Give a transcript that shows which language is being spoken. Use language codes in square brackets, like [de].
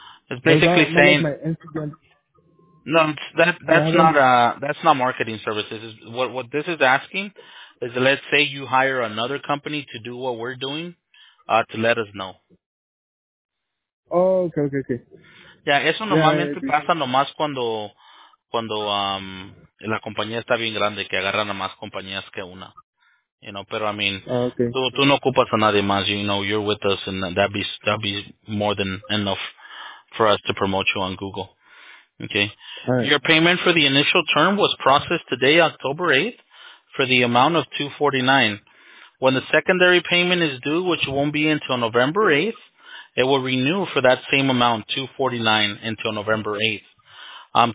[en] It's basically saying, no, that's not marketing services. What this is asking is, let's say you hire another company to do what we're doing, to let us know. Oh, okay. [es] Yeah, eso normalmente pasa nomás cuando la compañía está bien grande, que agarran a más compañías que una. You know, pero I mean, tú no ocupas a nadie más. [en] You know, you're with us, and that'd be more than enough for us to promote you on Google. Okay. Right. Your payment for the initial term was processed today, October 8th, for the amount of $249. When the secondary payment is due, which won't be until November 8th, it will renew for that same amount, $249, until November 8th.